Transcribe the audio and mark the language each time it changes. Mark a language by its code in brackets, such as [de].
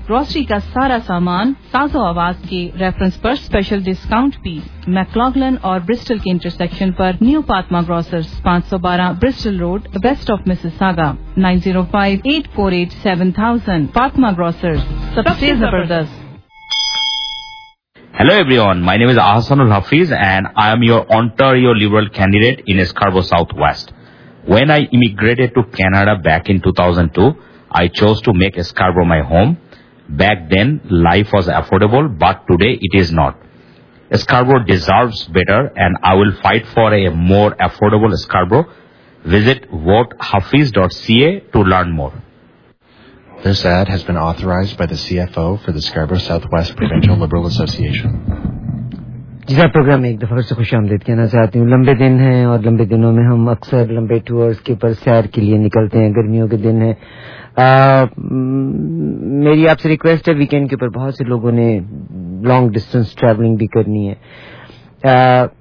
[hi] Grocery का सारा सामान साजो आवाज के रेफरेंस पर स्पेशल डिस्काउंट भी। मैकलॉगलन और ब्रिस्टल के इंटरसेक्शन पर new Fatima grocers 512 Bristol road waste of Mississauga 9058487000। Fatima grocers सबसे जबरदस्त। [en] Hello everyone, my name is Ahsanul Hafiz and I am your Ontario Liberal candidate in Scarborough Southwest. When I immigrated to Canada back in 2002, I chose to make Scarborough my home. Back then, life was affordable, but today it is not. Scarborough deserves better and I will fight for a more affordable Scarborough. Visit votehafiz.ca to learn more. This ad has been authorized by the CFO for the Scarborough Southwest Provincial Liberal Association. [hi] जिस programme में एक दफा से खुश आमदीद कहना चाहती हूँ। लंबे दिन हैं और लंबे दिनों में हम अक्सर लंबे टूर्स के ऊपर सैर के लिए निकलते हैं। गर्मियों के दिन हैं। मेरी आपसे रिक्वेस्ट है, वीकेंड के ऊपर बहुत से लोगों ने लॉन्ग डिस्टेंस ट्रैवलिंग भी करनी है।